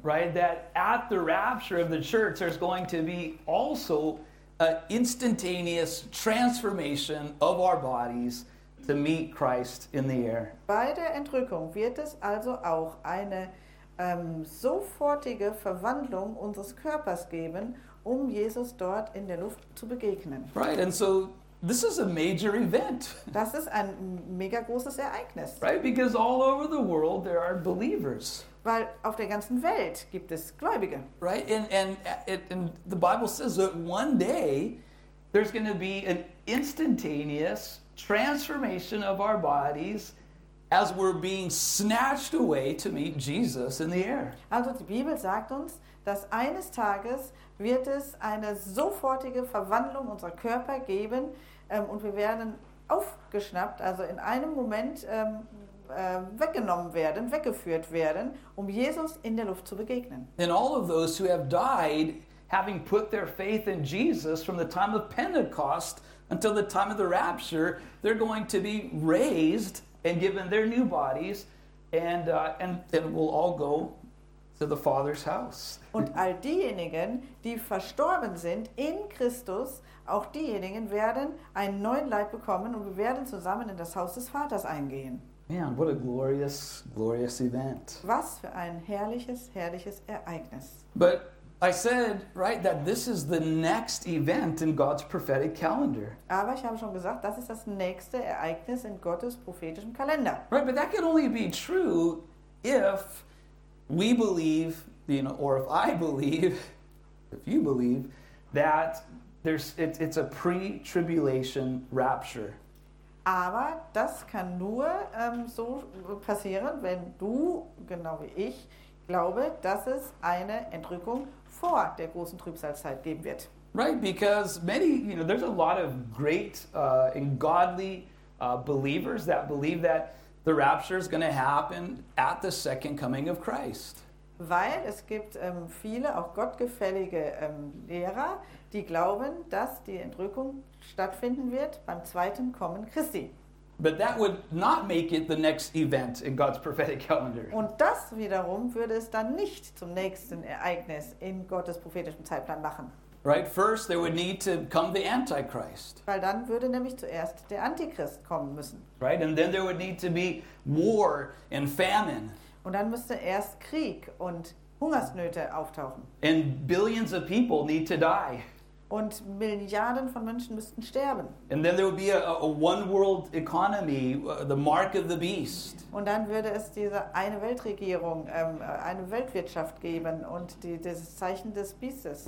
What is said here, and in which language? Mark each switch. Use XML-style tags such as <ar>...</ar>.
<en>Right, that at the rapture of the church there's going to be also an instantaneous transformation of our bodies to meet Christ in the air.</en> <de>Bei der Entrückung wird es also auch eine sofortige Verwandlung unseres Körpers geben, um Jesus dort in der Luft zu begegnen.</de> <en>Right, and so this is a major event.</en> <de>Das ist ein mega großes Ereignis.</de> <en>Right, because all over the world there are believers.</en> <de>Weil auf der ganzen Welt gibt es Gläubige.</de> <en>Right, and the Bible says that one day there's going to be an instantaneous transformation of our bodies as we're being snatched away to meet Jesus in the air.</en> <de>Also die Bibel sagt uns, dass eines Tages wird es eine sofortige Verwandlung unserer Körper geben und wir werden aufgeschnappt, also in einem Moment weggenommen werden, weggeführt werden, um Jesus in der Luft zu begegnen.</de> <en>And all of those who have died, having put their faith in Jesus from the time of Pentecost until the time of the rapture, they're going to be raised and given their new bodies, and we'll all go to the Father's house.</en> <de>Und all diejenigen, die verstorben sind in Christus, auch diejenigen werden einen neuen Leib bekommen und wir werden zusammen in das Haus des Vaters eingehen.</de> <en>Man, what a glorious, glorious event.</en> <de>Was für ein herrliches, herrliches Ereignis.</de> <en>But I said, right, that this is the next event in God's prophetic calendar.</en> <de>Aber ich habe schon gesagt, das ist das nächste Ereignis in Gottes prophetischem Kalender.</de> <en>Right, but that can only be true if we believe, you know, or if I believe, if you believe, that it's a pre-tribulation rapture.</en> <de>Aber das kann nur so passieren, wenn du, genau wie ich, glaube, dass es eine Entrückung vor der großen Trübsalzeit geben wird.</de> <en>Right, because many, you know, there's a lot of great and godly believers that believe that the rapture is going to happen at the second coming of Christ.</en> <de>Weil es gibt viele, auch gottgefällige Lehrer, die glauben, dass die Entrückung stattfinden wird beim zweiten Kommen Christi.</de> <en>But that would not make it the next event in God's prophetic calendar.</en> <de>Und das wiederum würde es dann nicht zum nächsten Ereignis in Gottes prophetischem Zeitplan machen.</de> <en>Right, first there would need to come the Antichrist.</en> <de>Weil dann würde nämlich zuerst der Antichrist kommen müssen.</de> <en>Right, and then there would need to be war and famine.</en> <de>Und dann müsste erst Krieg und Hungersnöte auftauchen.</de> <en>And billions of people need to die.</en> <de>Und Milliarden von Menschen müssten sterben.</de> <en>And then there would be a one world economy, the mark of the beast.</en> <de>Und dann würde es diese eine Weltregierung, eine Weltwirtschaft geben und das Zeichen des Biestes.</de>